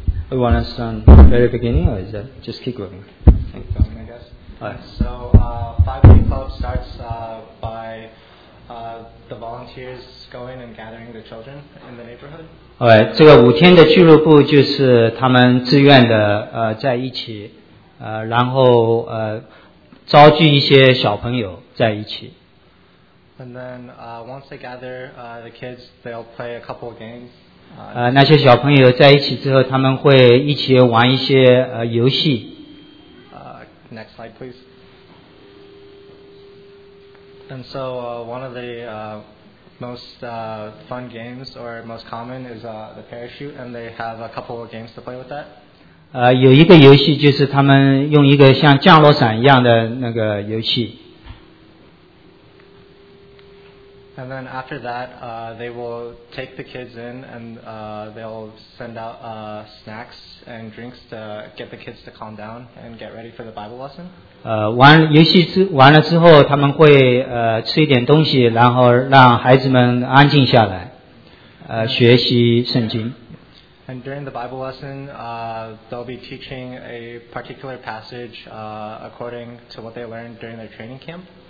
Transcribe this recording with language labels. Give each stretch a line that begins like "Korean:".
English: We want to start very beginning, or is that just keep going? Keep going, I guess. Right. So, 5-day club starts by the volunteers going and gathering the children in the neighborhood.
Chinese: Alright, 这个五天的俱乐部就是他们自愿的在一起，然后招聚一些小朋友在一起。
English: And then once they gather the kids, they'll play a couple of games.
Chinese: 那些小朋友在一起之后，他们会一起玩一些游戏。
English: Next slide, please. And so one of the most fun games or most common is the parachute, and they have a couple of games to play with that.
Chinese: 有一个游戏就是他们用一个像降落伞一样的那个游戏。
English: And then after that, they will take the kids in, and they'll send out snacks and drinks to get the kids to calm down and get ready for the Bible lesson.
Chinese: 玩游戏完了之后，他们会吃一点东西，然后让孩子们安静下来，学习圣经。
English: And during the Bible lesson, they'll be teaching a particular passage according to what they learned during their training camp.